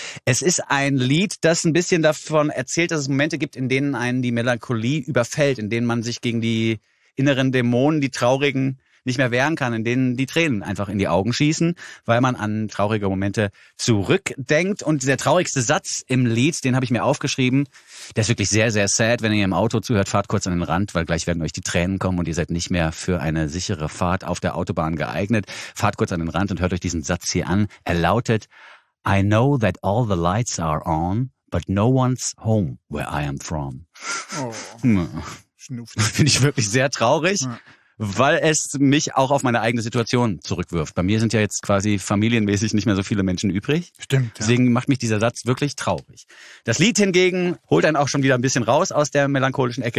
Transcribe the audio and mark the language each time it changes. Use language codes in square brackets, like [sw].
[de] Es ist ein Lied, das ein bisschen davon erzählt, dass es Momente gibt, in denen einen die Melancholie überfällt, in denen man sich gegen die inneren Dämonen, die Traurigen, nicht mehr wehren kann, in denen die Tränen einfach in die Augen schießen, weil man an traurige Momente zurückdenkt. Und der traurigste Satz im Lied, den habe ich mir aufgeschrieben, der ist wirklich sehr, sehr sad. Wenn ihr im Auto zuhört, fahrt kurz an den Rand, weil gleich werden euch die Tränen kommen und ihr seid nicht mehr für eine sichere Fahrt auf der Autobahn geeignet. Fahrt kurz an den Rand und hört euch diesen Satz hier an. Er lautet: [en] I know that all the lights are on, but no one's home where I am from. Oh. [de] Finde ich wirklich sehr traurig. Weil es mich auch auf meine eigene Situation zurückwirft. Bei mir sind ja jetzt quasi familienmäßig nicht mehr so viele Menschen übrig. Stimmt. Ja. Deswegen macht mich dieser Satz wirklich traurig. Das Lied hingegen holt einen auch schon wieder ein bisschen raus aus der melancholischen Ecke.